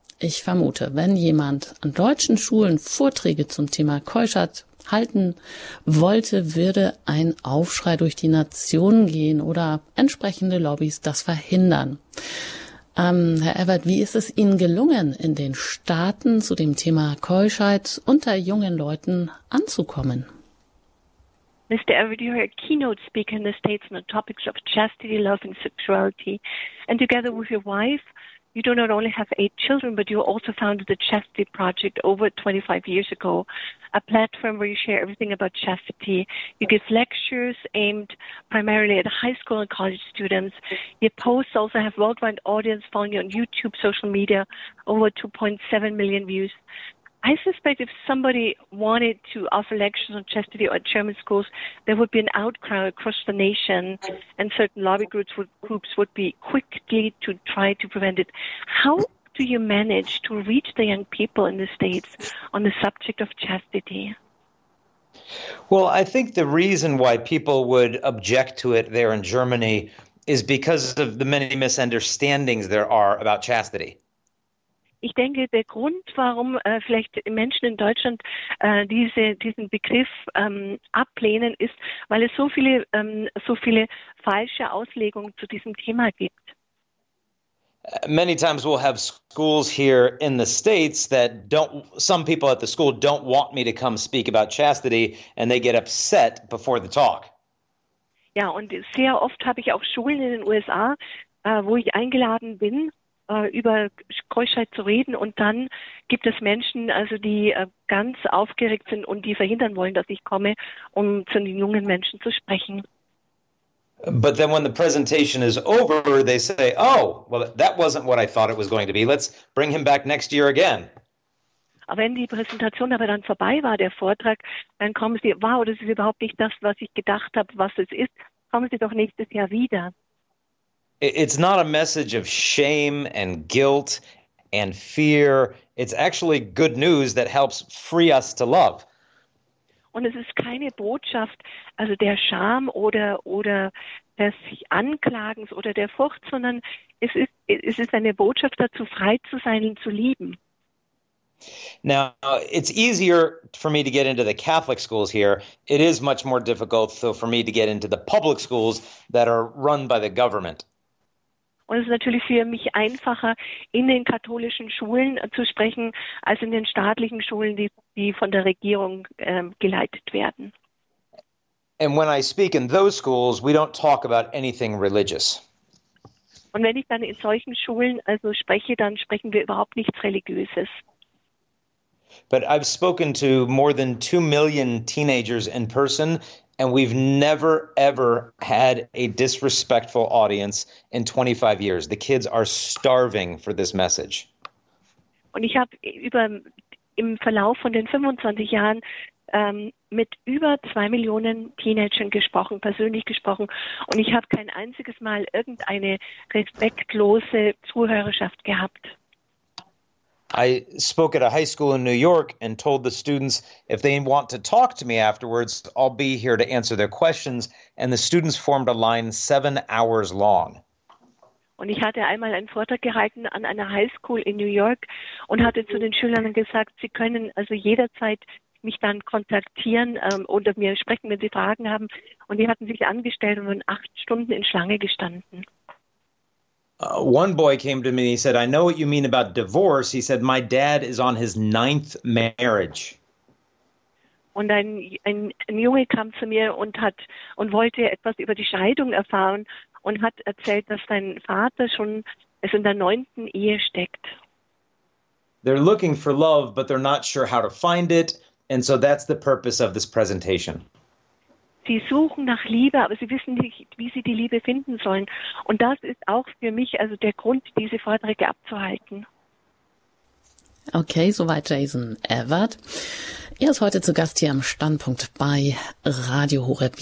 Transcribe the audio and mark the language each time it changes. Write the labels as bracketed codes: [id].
[de] Ich vermute, wenn jemand an deutschen Schulen Vorträge zum Thema Keuschheit halten wollte, würde ein Aufschrei durch die Nation gehen oder entsprechende Lobbys das verhindern. Herr Evert, wie ist es Ihnen gelungen, in den Staaten zu dem Thema Keuschheit unter jungen Leuten anzukommen? [en] Mr. Evert, you are a keynote speaker in the States on the topics of chastity, love and sexuality. And together with your wife, you do not only have 8 children, but you also founded the Chastity Project over 25 years ago, a platform where you share everything about chastity. You give lectures aimed primarily at high school and college students. Your posts also have worldwide audience following you on YouTube, social media, over 2.7 million views. I suspect if somebody wanted to offer lectures on chastity at German schools, there would be an outcry across the nation and certain lobby groups would be quickly to try to prevent it. How do you manage to reach the young people in the States on the subject of chastity? Well, I think the reason why people would object to it there in Germany is because of the many misunderstandings there are about chastity. [de] Ich denke, der Grund, warum vielleicht Menschen in Deutschland diesen Begriff ablehnen, ist, weil es so viele falsche Auslegungen zu diesem Thema gibt. [en] Many times we'll have schools here in the States that don't, some people at the school don't want me to come speak about chastity and they get upset before the talk. [de] Ja, und sehr oft habe ich auch Schulen in den USA, wo ich eingeladen bin, über Keuschheit zu reden und dann gibt es Menschen, also die ganz aufgeregt sind und die verhindern wollen, dass ich komme, um zu den jungen Menschen zu sprechen. [en] But then when the presentation is over, they say, oh, well, that wasn't what I thought it was going to be. Let's bring him back next year again. [de] Wenn die Präsentation aber dann vorbei war, der Vortrag, dann kommen sie, wow, das ist überhaupt nicht das, was ich gedacht habe, was es ist. Kommen sie doch nächstes Jahr wieder. [en] It's not a message of shame and guilt and fear. It's actually good news that helps free us to love. [de] Und es ist keine Botschaft, also der Scham oder des Anklagens oder der Furcht, sondern es ist eine Botschaft dazu, frei zu sein und zu lieben. [en] Now, it's easier for me to get into the Catholic schools here. It is much more difficult, though, for me to get into the public schools that are run by the government. [de] Und es ist natürlich für mich einfacher, in den katholischen Schulen zu sprechen, als in den staatlichen Schulen, die von der Regierung geleitet werden. [en] And when I speak in those schools, we don't talk about anything religious. [de] Und wenn ich dann in solchen Schulen also spreche, dann sprechen wir überhaupt nichts Religiöses. [en] But I've spoken to more than 2 million teenagers in person. And we've never, ever had a disrespectful audience in 25 years. The kids are starving for this message. [de] Und ich habe im Verlauf von den 25 Jahren mit über 2 Millionen Teenagern gesprochen, persönlich gesprochen. Und ich habe kein einziges Mal irgendeine respektlose Zuhörerschaft gehabt. [en] I spoke at a high school in New York and told the students, if they want to talk to me afterwards, I'll be here to answer their questions. And the students formed a line 7 hours long. [de] Und ich hatte einmal einen Vortrag gehalten an einer High School in New York und hatte zu den Schülern gesagt, sie können also jederzeit mich dann kontaktieren oder mir sprechen, wenn sie Fragen haben. Und die hatten sich angestellt und waren 8 Stunden in Schlange gestanden. [en] One boy came to me and he said, I know what you mean about divorce. He said, my dad is on his 9th marriage. [de] Und ein Junge kam zu mir und hat und wollte etwas über die Scheidung erfahren und hat erzählt, dass sein Vater schon es in der 9. Ehe steckt. [en] They're looking for love, but they're not sure how to find it. And so that's the purpose of this presentation. [de] Sie suchen nach Liebe, aber sie wissen nicht, wie sie die Liebe finden sollen. Und das ist auch für mich also der Grund, diese Vorträge abzuhalten. Okay, soweit Jason Evert. Er ist heute zu Gast hier am Standpunkt bei Radio Horeb.